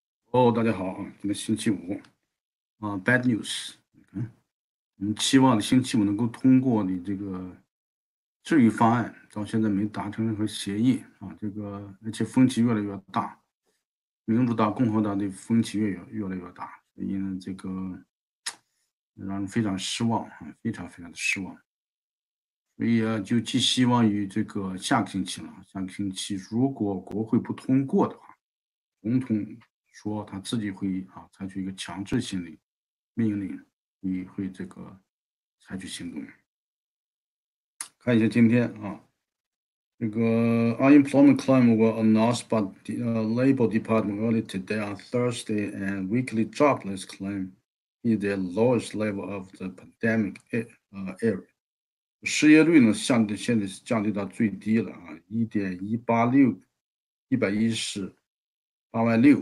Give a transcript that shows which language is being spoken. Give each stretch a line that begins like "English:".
Chinese: 哦，大家好，今天星期五，
English: bad news，
Chinese: 你期望星期五能够通过你这个治愈方案，到现在没达成任何协议啊，这个而且分歧越来越大，民主党、共和党的分歧越来越大，所以呢，这个让人非常失望啊，非常非常的失望，所以啊，就寄希望于这个下个星期了。下个星期如果国会不通过的话，总统说他自己会采取一个强制性的命令，你会这个采取行动。看一下今天这个
English: unemployment claim were announced by the Labor Department early today on Thursday, and weekly jobless claim is the lowest level of the pandemic era。
Chinese: 失业率呢，现在是降低到最低了1.186，1.186万。